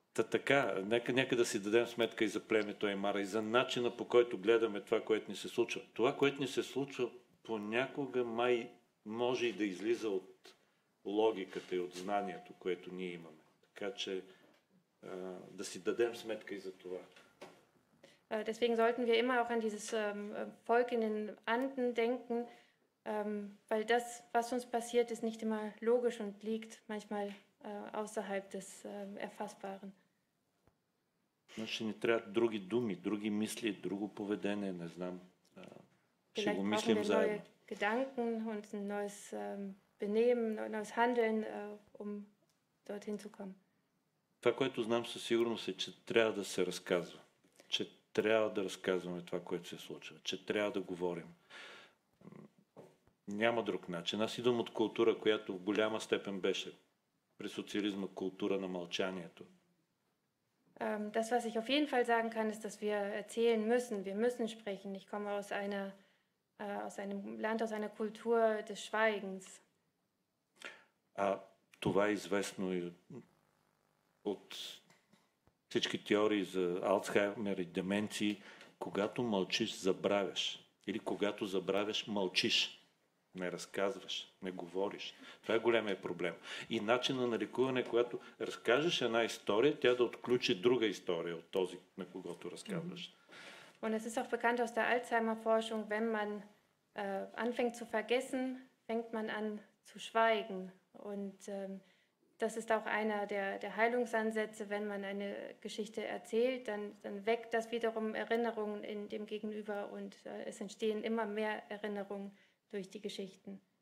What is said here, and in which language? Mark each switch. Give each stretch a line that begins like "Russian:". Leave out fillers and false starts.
Bulgarian: Така, нека да си дадем сметка и за племето Аймара, и за начина, по който гледаме това, което ни се случва. Това, което ни се случва, понякога май може и да излиза от логиката и от знанието, което ние имаме. Така че да си дадем сметка и за това.
German: Deswegen sollten wir immer auch an dieses Volk in den Anden denken, weil das, was uns passiert, ist nicht immer logisch und liegt manchmal außerhalb des Erfassbaren.
Bulgarian: Значи ни трябват други думи, други мисли, друго поведение, не знам. Ще го мислим заедно.
German: Vielleicht brauchen wir neue Gedanken und ein neues Benehmen, neues Handeln, um dorthin zu kommen.
Bulgarian: Това, което знам със сигурност е, че трябва да се разказва. Че трябва да разказваме това, което се случва. Че трябва да говорим. Няма друг начин. Аз идвам от култура, която в голяма степен беше при социализма култура на мълчанието.
German: Das, was ich auf jeden Fall sagen kann, ist, dass wir erzählen müssen. Wir müssen sprechen. Ich komme aus einem Land, aus einer Kultur des Schweigens.
Bulgarian: Това е известно и от всички теории за Алцхаймер и деменции. Когато мълчиш, забравяш. Или когато забравяш, мълчиш. Не разказваш, не говориш. Това е големия проблем. И начинът на лекуване, когато разкажеш една история, тя да отключи друга история от този, на когото разказваш.
German: Und es ist auch bekannt aus der Alzheimer-Forschung, wenn man anfängt zu vergessen, fängt man an zu schweigen. Und das ist auch einer der Heilungsansätze, wenn man eine Geschichte erzählt, dann weckt das wiederum Erinnerungen in dem Gegenüber und es entstehen immer mehr Erinnerungen durch die Geschichten.